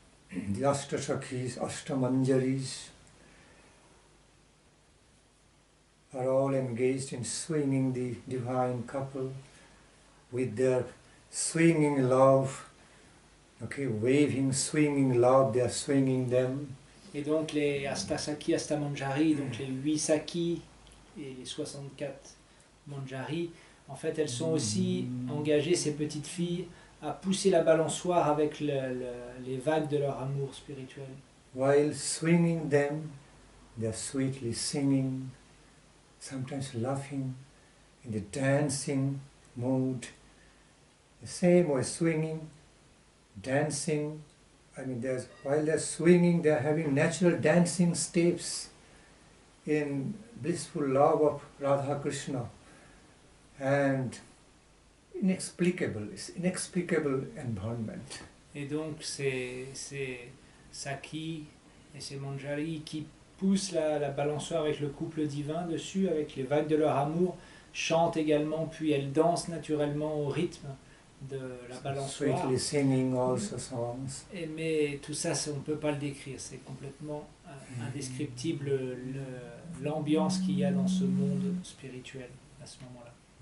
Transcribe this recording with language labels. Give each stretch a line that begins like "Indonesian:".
English: The Ashtasakhis, Ashtamanjaris are all engaged in swinging the divine couple with their swinging love, okay, waving, swinging love, they are swinging them.
French: Et donc les Astasaki, Astamanjari, donc les 8 Saki et les 64 Manjari, en fait, elles sont aussi engagées, ces petites filles, à pousser la balançoire avec les vagues de leur amour spirituel.
English: While swinging them, they are sweetly singing, sometimes laughing, in the dancing mood. The same way swinging, dancing, I mean, while they're swinging, they're having natural dancing steps in blissful love of Radha Krishna. And inexplicable, it's inexplicable environment.
French: Et donc, ces Saki et ces Manjari qui poussent la balançoire avec le couple divin dessus, avec les vagues de leur amour, chantent également, puis elles dansent naturellement au rythme de la balançoire.
English: Sweetly singing also songs.
French: Mais tout ça, on ne peut pas le décrire, c'est complètement indescriptible l'ambiance qu'il y a dans ce monde spirituel à ce moment-là.